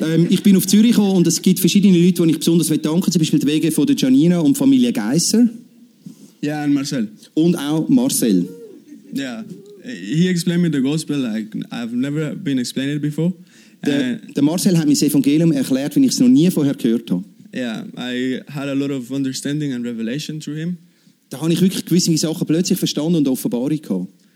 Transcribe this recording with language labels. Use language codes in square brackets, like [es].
[de] Ich bin auf Zürich gekommen und es gibt verschiedene Leute, die ich besonders danken möchte. Zum Beispiel die Wege von Janina und Familie Geiser. Ja, yeah, und Marcel. Und auch Marcel. Ja, yeah. [en] He explained me the gospel like I've never been explained it before. [de] Der Marcel hat mir das Evangelium erklärt, wie ich es noch nie vorher gehört habe. [en] Ja, yeah, I had a lot of understanding and revelation through him. [de] Da habe ich wirklich gewisse Sachen plötzlich verstanden und Offenbarung gehabt.